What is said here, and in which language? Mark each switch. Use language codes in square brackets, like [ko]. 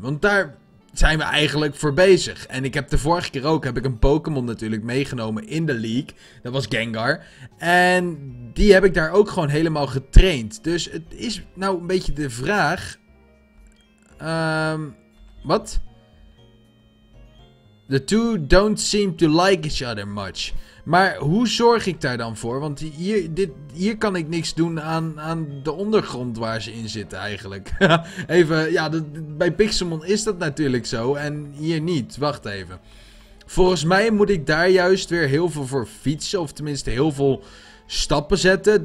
[nl] Want daar zijn we eigenlijk voor bezig. En ik heb de vorige keer ook heb ik een Pokémon natuurlijk meegenomen in de League. Dat was Gengar. En die heb ik daar ook gewoon helemaal getraind. Dus het is nou een beetje de vraag. Wat? [en] The two don't seem to like each other much. [nl] Maar hoe zorg ik daar dan voor? Want hier kan ik niks doen aan de ondergrond waar ze in zitten eigenlijk. Even, ja, bij Pixelmon is dat natuurlijk zo. En hier niet. Wacht even. Volgens mij moet ik daar juist weer heel veel voor fietsen. Of tenminste heel veel stappen zetten.